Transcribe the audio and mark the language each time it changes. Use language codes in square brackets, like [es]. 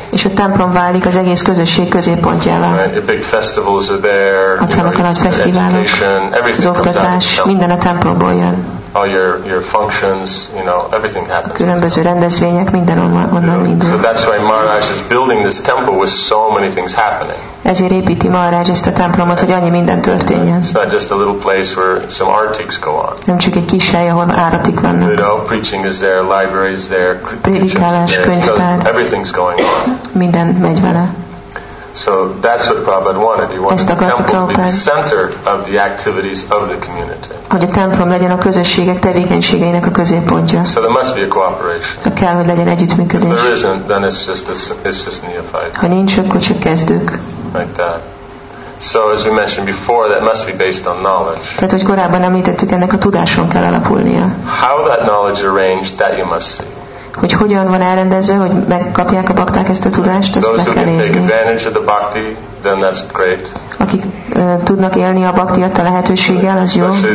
[hu] És a templom válik az egész közösség középpontjává. [en] Right. Big festivals are there. [hu] Ott vannak a nagy fesztiválok. Az oktatás, minden a templomból jön. [en] All your functions, you know, everything happens. [hu] A különböző rendezvények, minden onnan indul. [en] So that's why Maharaj is building this temple with so many things happening. [hu] Ezért építi Maharaj ezt a templomot, hogy annyi minden történjen. [en] It's not just a little place where some artics go on. [hu] Nem csak egy kis hely, ahol áratik vannak. [en] You know, preaching is there, library is there, [hu] prédikálás, könyvtár. [en] Everything's going on. [hu] Minden megy vele. [en] So that's what Prabhupada wanted. He wanted the temple to be the center of the activities of the community. [hu] Hogy a templom legyen a közösségek tevékenységeinek a középpontja. [en] So there must be a cooperation. [hu] Ha kell, hogy legyen együttműködés. [en] If there isn't, then it's just neophyte. [hu] Ha nincs, akkor csak kezdők. [en] Like that. So as we mentioned before, that must be based on knowledge. [hu] Tehát, hogy korábban említettük, ennek a tudáson kell alapulnia. [en] How that knowledge arranged, that you must see. [hu] Hogy hogyan van elrendezve, hogy megkapják a bakták ezt a tudást, azt meg kell nézni. [en] Bhakti, then that's great. [hu] Akik tudnak élni a bakti adta lehetőséggel, az jó.